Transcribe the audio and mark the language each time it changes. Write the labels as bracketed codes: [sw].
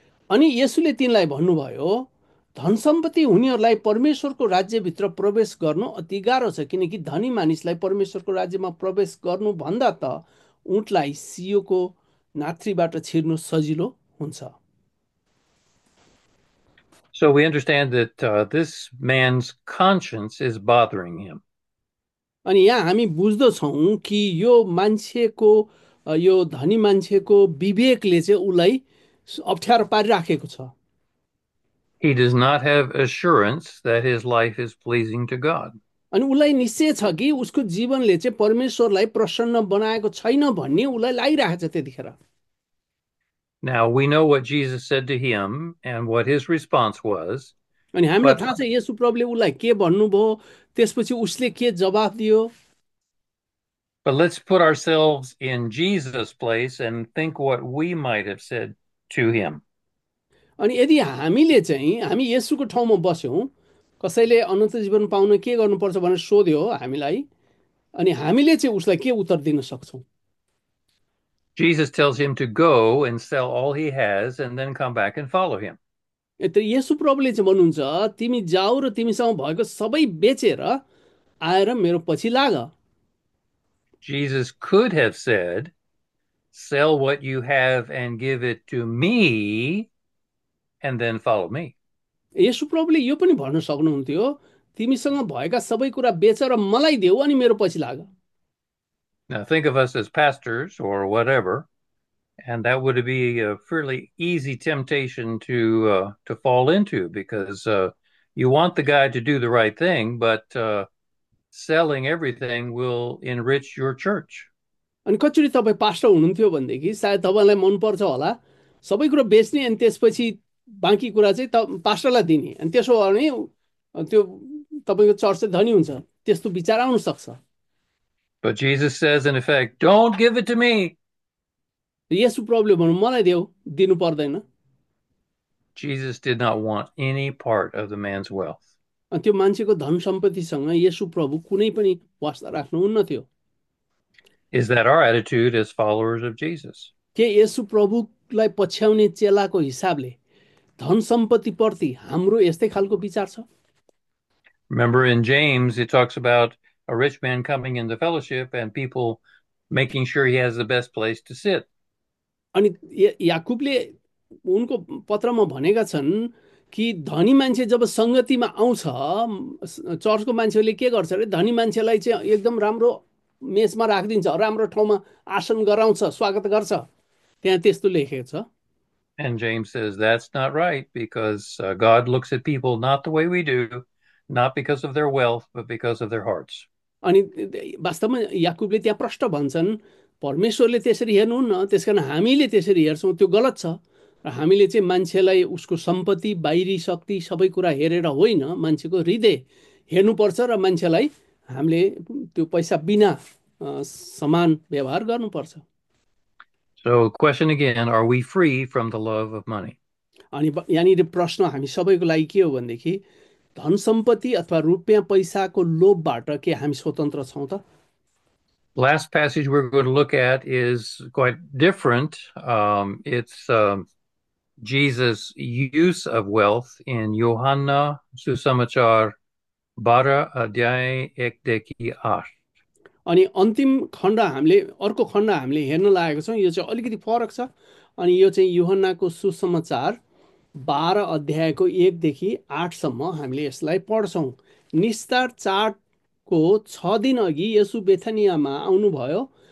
[ne] अनि येसुले तिनलाई भन्नुभयो, धन सम्पत्ति हुनेहरूलाई परमेश्वरको राज्यभित्र प्रवेश गर्नु अति गाह्रो छ, किनकि धनी मानिसलाई परमेश्वरको राज्यमा प्रवेश गर्नुभन्दा त उँटलाई सियोको नाथ्रीबाट छिर्नु सजिलो हुन्छ। [en] So we understand that this man's conscience is bothering him. [ne] अनि यहाँ हामी बुझ्दछौँ कि यो मान्छेको, यो धनी मान्छेको विवेकले चाहिँ उसलाई अप्ठ्यारो पारिराखेको छ। [en] He does not have assurance that his life is pleasing to God. [ne] अनि उसलाई निश्चय छ कि उसको जीवनले चाहिँ परमेश्वरलाई प्रसन्न बनाएको छैन भन्ने उसलाई लागिरहेको छ त्यतिखेर। [en] Now we know what Jesus said to him and what his response was, [ne] अनि हामीलाई [en] but [ne] थाहा छ येशु प्रभुले उसलाई के भन्नुभयो, त्यसपछि उसले के जवाफ दियो। [en] let's put ourselves in Jesus' place and think what we might have said to him. [ne] अनि यदि हामीले चाहिँ, हामी येशुको ठाउँमा बस्यौँ, कसैले अनन्त जीवन पाउन के गर्नुपर्छ भनेर सोध्यो हामीलाई, अनि हामीले चाहिँ उसलाई के उत्तर दिन सक्छौँ? [en] Jesus tells him to go and sell all he has and then come back and follow him. [ne] यत्र येसु प्रभुले चाहिँ भन्नुहुन्छ, तिमी जाऊ र तिमीसँग भएको सबै बेचेर आएर मेरो पछि लाग। [en] Jesus could have said, sell what you have and give it to me and then follow me. [ne] Yesu प्रभुले यो पनि भन्न सक्नुहुन्थ्यो, तिमीसँग भएका सबै कुरा बेचेर मलाई देऊ अनि मेरो पछि लाग। [en] Now think of us as pastors or whatever, and that would be a fairly easy temptation to fall into because you want the guy to do the right thing, but selling everything will enrich your church. [ne] अनि कचुरी तपाईँ pastor हुनुहुन्थ्यो भनेदेखि सायद तपाईँलाई मनपर्छ होला सबै कुरो बेच्ने, अनि त्यसपछि बाँकी कुरा चाहिँ त पास्टरलाई दिने, अनि त्यसो हो भने त्यो तपाईँको चर्च चाहिँ धनी हुन्छ, त्यस्तो विचार आउन सक्छ। [en] But Jesus says, in effect, don't give it to me. [ne] Yesu प्रभुले भन्नु, मलाई देऊ, दिनु पर्दैन। [en] Jesus did not want any part of the man's wealth. [ne] अनि त्यो मान्छेको धन सम्पत्तिसँग येसु प्रभु कुनै पनि वास्ता राख्नुहुन्न थियो। [en] Is that our attitude as followers of Jesus? [ne] के येसु प्रभुलाई पछ्याउने चेलाको हिसाबले धन सम्पत्तिप्रति हाम्रो यस्तै खालको विचार छ? [en] Remember in James, it talks about a rich man coming into fellowship and people making sure he has the best place to sit. [ne] अनि याकुबले उनको पत्रमा भनेका छन् कि धनी मान्छे जब सङ्गतिमा आउँछ, चर्चको मान्छेले के गर्छ अरे, धनी मान्छेलाई चाहिँ एकदम राम्रो मेचमा राखिदिन्छ, राम्रो ठाउँमा आसन गराउँछ, स्वागत गर्छ, त्यहाँ त्यस्तो लेखेको छ। [en] And James says that's not right because God looks at people not the way we do. Not because of their wealth, but because of their hearts. [ne] अनि वास्तवमा याकुबले त्यहाँ प्रष्ट भन्छन्, परमेश्वरले त्यसरी हेर्नुहुन्न, त्यस कारण हामीले त्यसरी हेर्छौँ, त्यो गलत छ। र हामीले चाहिँ मान्छेलाई उसको सम्पत्ति, बाहिरी शक्ति सबै कुरा हेरेर होइन, मान्छेको हृदय हेर्नुपर्छ, र मान्छेलाई हामीले त्यो पैसा बिना समान व्यवहार गर्नुपर्छ। [en] So, question again, are we free from the love of money? [ne] अनि यहाँनिर प्रश्न हामी सबैको लागि के हो भनेदेखि, धन सम्पत्ति अथवा रुपियाँ पैसाको लोभबाट के हामी स्वतन्त्र छौँ त? [en] Last passage we're going to look at is quite different. It's Jesus' use of wealth in [ne] Yohanna Susamachar 12 अध्याय 1 देखि 8. अनि अन्तिम खण्ड हामीले अर्को खण्ड हामीले हेर्न लागेको छौँ, यो चाहिँ अलिकति फरक छ। अनि यो चाहिँ युहन्नाको सुसमाचार 12 अध्यायको 1 देखि 8 सम्म हामीले यसलाई पढ्छौँ। निस्तार चाडको 6 दिन अघि येसु बेथानियामा आउनुभयो।